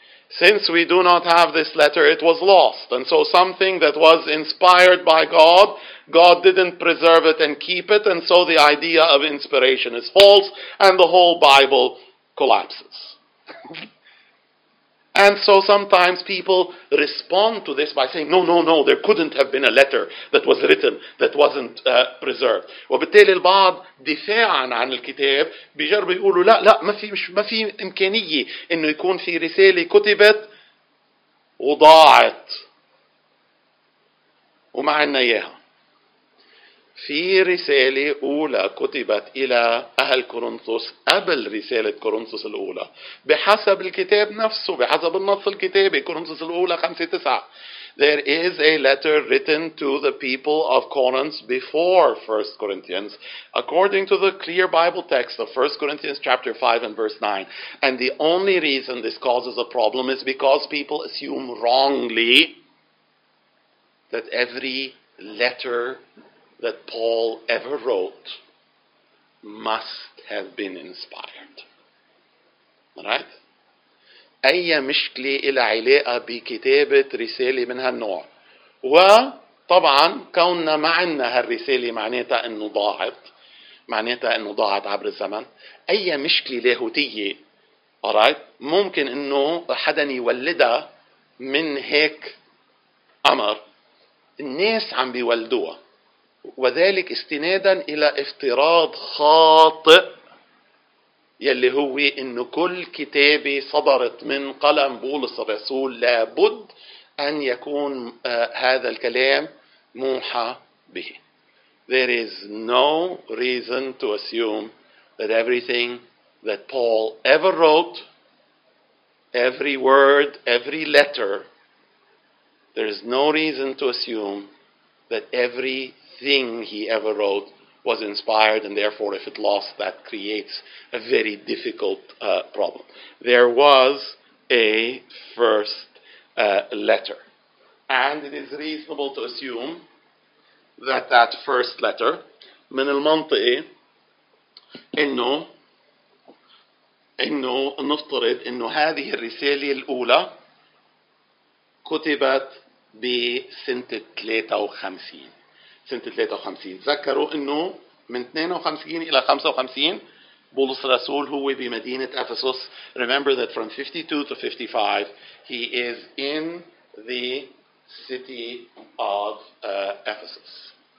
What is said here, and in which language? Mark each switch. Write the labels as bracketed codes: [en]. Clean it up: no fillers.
[en] Since we do not have this letter, it was lost. And so something that was inspired by God, God didn't preserve it and keep it. And so the idea of inspiration is false. And the whole Bible collapses. And so sometimes people respond to this by saying, no, there couldn't have been a letter that was written that wasn't preserved. [ar] وبالتالي البعض دفاعا عن الكتاب بيجرب يقولوا لا ما في إمكانية إنه يكون في رسالة كتبت وضاعت وما عنا إياها. في رسالة أولى كتبت إلى أهل كورنثوس قبل رسالة كورنثوس الأولى بحسب الكتاب نفسه، بحسب النص الكتابي كورنثوس الأولى 5-9. [en] There is a letter written to the people of Corinth before 1 Corinthians according to the clear Bible text of 1 Corinthians chapter 5 and verse 9. And the only reason this causes a problem is because people assume wrongly that every letter that Paul ever wrote must have been inspired. Alright? [ar] أي مشكلة إلى علاقة بكتابة رسالة من هالنوع؟ وطبعا كوننا ما عندنا هالرسالة معناتها أنه ضاعت، معناتها أنه ضاعت عبر الزمن. أي مشكلة لاهوتية alright ممكن أنه حدا يولدها من هيك أمر، الناس عم بيولدوها. وذلك استنادا إلى افتراض خاطئ يلي هو إنه كل كتابة صدرت من قلم بولس الرسول لابد أن يكون هذا الكلام موحى به. [en] There is no reason to assume that everything that Paul ever wrote, every word, every letter, there is no reason to assume that everything he ever wrote was inspired, and therefore if it lost, that creates a very difficult problem. There was a first letter, and it is reasonable to assume that that first letter, [ar] من المنطقي إنه نفترض إنه هذه الرسالة الأولى كتبت بسنة 53. سنة 53 ذكروا إنه من 52 إلى 55 بولس الرسول هو بمدينة أفسوس. [en] Remember that from 52 to 55 he is in the city of Ephesus.